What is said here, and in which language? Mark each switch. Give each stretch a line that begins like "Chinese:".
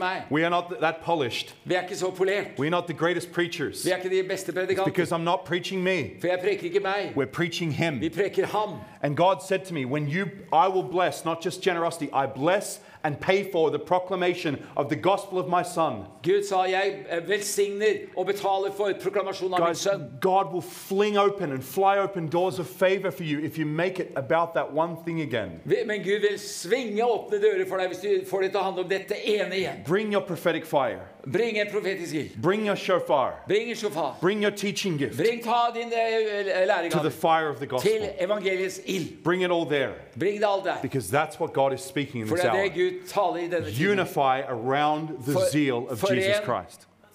English: We are not that polished. We are not the greatest preachers. It's because I'm not preaching me. We're preaching him. And God said to me, I will bless, not just generosity, I bless and pay for the proclamation of the gospel of my son.
Norwegian: Gud sa, jeg velsigner og betaler for proklamasjonen av min sønn.
English: God will fling open and fly open doors of favor for you if you make it about that one thing again.
Norwegian: Men Gud vil svinge åpne dører for deg hvis du får det til å handle om dette ene igjen.
English: Bring your prophetic fire.
Norwegian: Bring en profetisk ild.
English: Bring your shofar.
Norwegian: Bring en shofar.
English: Bring your teaching gift.
Norwegian: Bring ta din læregave.
English: To the fire of the gospel.
Norwegian: Til evangeliets ild.
English: Bring it all there.
Norwegian: Bring det all der.
English: Because that's what God is speaking in this hour.
Norwegian: For det Gud taler I denne tiden.
English: Unify around the zeal of Jesus Christ.